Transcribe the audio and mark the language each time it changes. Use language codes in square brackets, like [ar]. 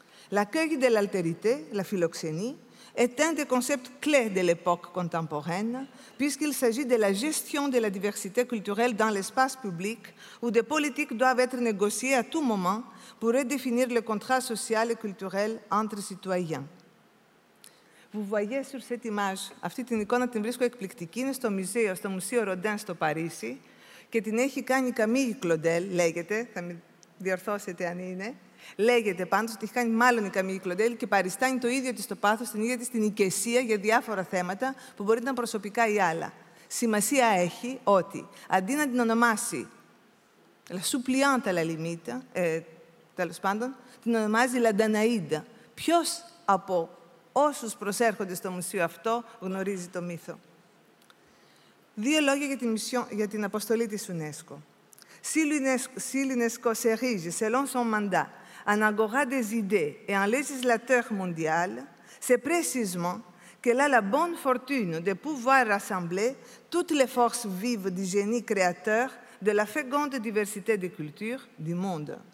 [fr] L'accueil de l'altérité, la philoxénie, est un des concepts clés de l'époque contemporaine, puisqu'il s'agit de la gestion de la diversité culturelle dans l'espace public, où des politiques doivent être négociées à tout moment pour redéfinir le contrat social et culturel entre citoyens. Vous voyez sur cette image, [el] αυτή την εικόνα την βρίσκω εκπληκτική, είναι στο μουσείο, στο μουσείο Ροντέν στο Παρίσι και την έχει κάνει η Καμίγη Κλοντέλ, λέγεται, θα με διορθώσετε αν είναι, λέγεται πάντως ότι έχει κάνει μάλλον η Καμίγη Κλοντέλ και παριστάνει το ίδιο της το πάθος, την ίδια της την ηκεσία για διάφορα θέματα που μπορεί να είναι προσωπικά ή άλλα. Σημασία έχει ότι αντί να την ονομάσει La suppliante la limite, τέλος πάντων, την ονομάζει La Danaïde. Ποιος από όσους προσέρχονται στο μουσείο αυτό γνωρίζει το μύθο. Δύο λόγια για την αποστολή της UNESCO. [fr] Si l'UNESCO s'érige, selon son mandat, en agora des idées et en législateur mondial, c'est précisément qu'elle a la bonne fortune de pouvoir rassembler toutes les forces vives du génie créateur de la féconde diversité des cultures du monde.